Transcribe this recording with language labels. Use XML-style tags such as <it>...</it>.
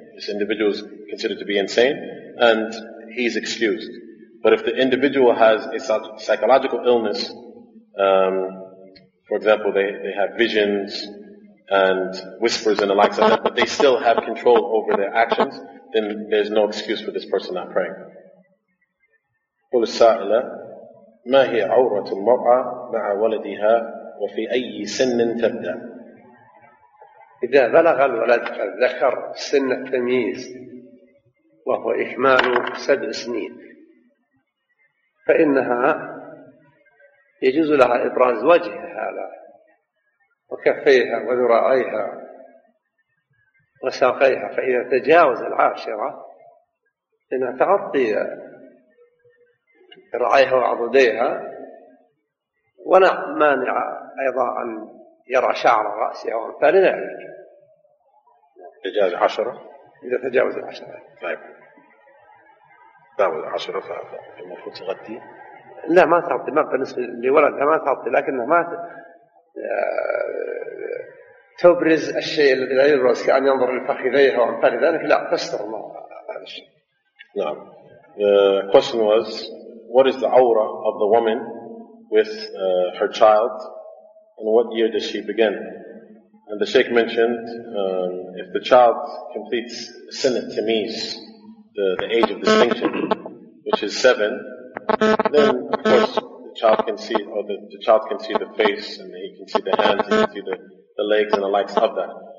<en>This individual is considered to be insane and he's excused. But if the individual has a psychological illness, for example, they have visions and whispers and the likes of that, but they still have control over their actions, then there's no excuse for this person not praying.</en> <ar>قل السائلة: ما هي عورة المرأة مع ولدها وفي أي سن تبدأ؟ إذا بلغ الولد الذكر سن التمييز وهو إكمال 7 سنين فإنها يجوز لها إبراز وجهها وكفيها وذراعيها وساقيها، فإذا تجاوز 10 فإنها تغطي ذراعيها وعضديها، ولا مانع أيضا أن يرى شعر رأسها وأمثال ذلك. إذا تجاوز العشرة طيب تجاوز 10 فالمفروض تغطي؟ لا ما تغطي، ما بالنسبة لولدها ما تغطي، لكنها ما تبرز الشيء الذي لا يبرز، كأن ينظر لفخذيها وأمثال ذلك، لا تستر هذا الشيء. نعم.</ar> <en>Question was: what is the aura of the woman with her child and what year does she begin? And the Sheikh mentioned, if the child completes sin at Tamiz, the age of distinction, which is 7, then of course the child can see, or the child can see the face, and he can see the hands, and he can see the legs and the likes of that.</en>